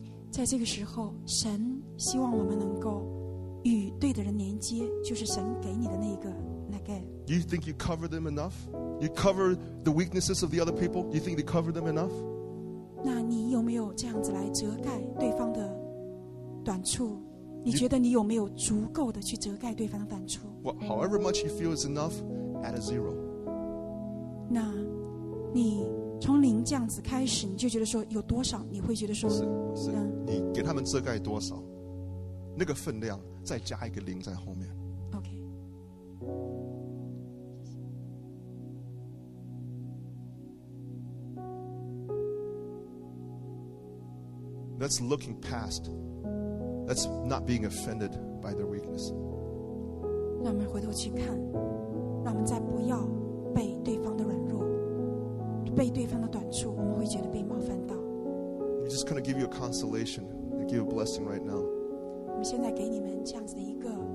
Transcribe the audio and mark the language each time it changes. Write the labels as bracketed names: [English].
[Chinese] 在这个时候，神希望我们能够与对的人连接，就是神给你的那一个 neged. [English] Do you think you cover them enough? You cover the weaknesses of the other people? Do you think they cover them enough? [Chinese] 那你有没有这样子来遮盖对方的短处？你觉得你有没有足够的去遮盖对方的短处？ [English] Well, however much you feel is enough, add a zero. [Chinese] 那你从零这样子开始，你就觉得说有多少？你会觉得说，你给他们遮盖多少，那个分量再加一个零在后面。 [English] That's looking past. That's not being offended by their weakness. [Chinese] 让我们回头去看，让我们再不要被对方的软弱，被对方的短处，我们会觉得被冒犯到。 [English] I'm just going to give you a consolation, give you a blessing right now. [Chinese] 我们现在给你们这样子的一个